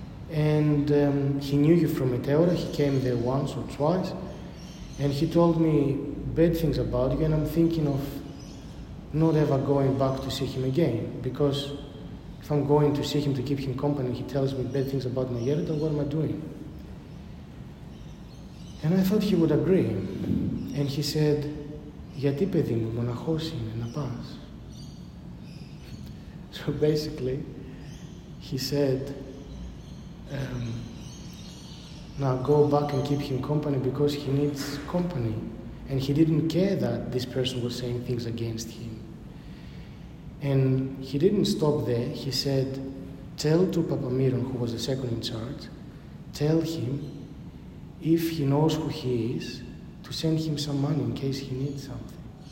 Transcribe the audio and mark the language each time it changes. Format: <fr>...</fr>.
<en>And he knew you from Meteora. He came there once or twice. And he told me bad things about you. And I'm thinking of not ever going back to see him again. Because if I'm going to see him to keep him company, he tells me bad things about Meteora, what am I doing? And I thought he would agree. And he said,</en> <el>γιατί παιδί μου, μοναχός είναι, να πας.</el> <en>So basically, he said, now go back and keep him company because he needs company. And he didn't care that this person was saying things against him. And he didn't stop there. He said, tell to Papa Miron, who was the second in charge, tell him, if he knows who he is, to send him some money in case he needs something.</en>